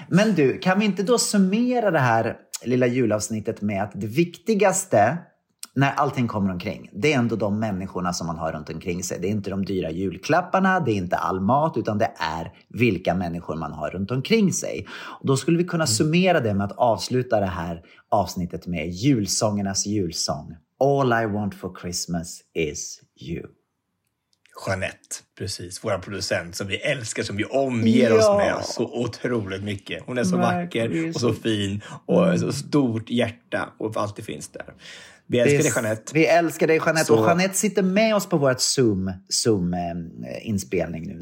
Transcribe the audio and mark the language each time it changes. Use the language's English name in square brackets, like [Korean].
[Swedish] Men du, kan vi inte då summera det här lilla julavsnittet med att det viktigaste när allting kommer omkring, det är ändå de människorna som man har runt omkring sig. Det är inte de dyra julklapparna, det är inte all mat, utan det är vilka människor man har runt omkring sig. Och då skulle vi kunna summera det med att avsluta det här avsnittet med julsångernas julsång. [English] All I want for Christmas is you. [Swedish] Jeanette, precis. Vår producent som vi älskar, som vi omger oss med så otroligt mycket. Hon är så vacker och så fin och så stort hjärta och alltid finns där. Vi älskar dig, Jeanette. Vi älskar dig, Jeanette. Så. Och Jeanette sitter med oss på vårt Zoom-inspelning nu.